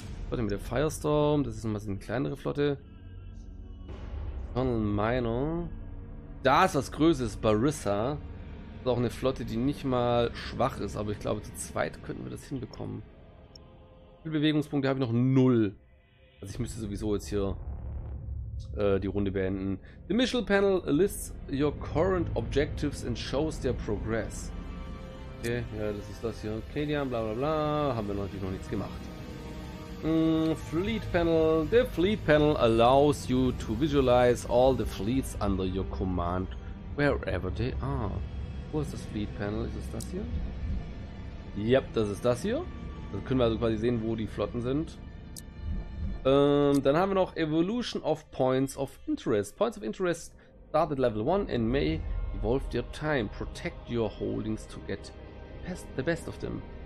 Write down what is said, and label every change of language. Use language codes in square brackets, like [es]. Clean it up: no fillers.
[de] Warte, mit der Firestorm, das ist nochmal eine kleinere Flotte. Colonel Minor. Da ist was Größeres, Barissa. Das ist auch eine Flotte, die nicht mal schwach ist, aber ich glaube, zu zweit könnten wir das hinbekommen. Wie viele Bewegungspunkte habe ich noch? Null. Also ich müsste sowieso jetzt hier die Runde beenden. [en] The Mission Panel lists your current objectives and shows their progress. [de] Okay, ja, das ist das hier. Kadian, bla bla bla. Haben wir natürlich noch nichts gemacht. [en] Fleet Panel. The Fleet Panel allows you to visualize all the fleets under your command, wherever they are. [de] Wo ist das Fleet Panel? Ist es das hier? Yep, das ist das hier. Dann können wir also quasi sehen, wo die Flotten sind. Dann haben wir noch Evolution of Points of Interest. [en] Points of Interest start at level 1 and may evolve their time. Protect your holdings to get the best of them.